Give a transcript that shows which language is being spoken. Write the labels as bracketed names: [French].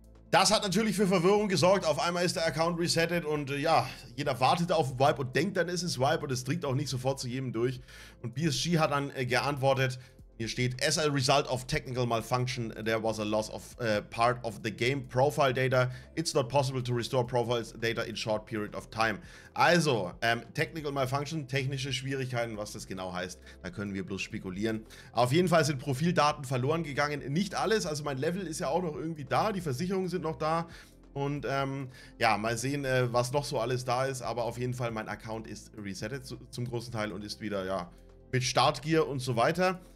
[German] Das hat natürlich für Verwirrung gesorgt. Auf einmal ist der Account resettet und ja, jeder wartet auf Vibe und denkt, dann ist es Vibe und es dringt auch nicht sofort zu jedem durch. Und BSG hat dann geantwortet, Hier steht, [English] as a result of technical malfunction, there was a loss of part of the game profile data. It's not possible to restore profile data in short period of time. [German] Also, [English] technical malfunction, [German] technische Schwierigkeiten, was das genau heißt, da können wir bloß spekulieren. Auf jeden Fall sind Profildaten verloren gegangen. Nicht alles, also mein Level ist ja auch noch irgendwie da, die Versicherungen sind noch da. Und ja, mal sehen, was noch so alles da ist. Aber auf jeden Fall, mein Account ist resettet zum großen Teil und ist wieder, ja, mit Startgear und so weiter.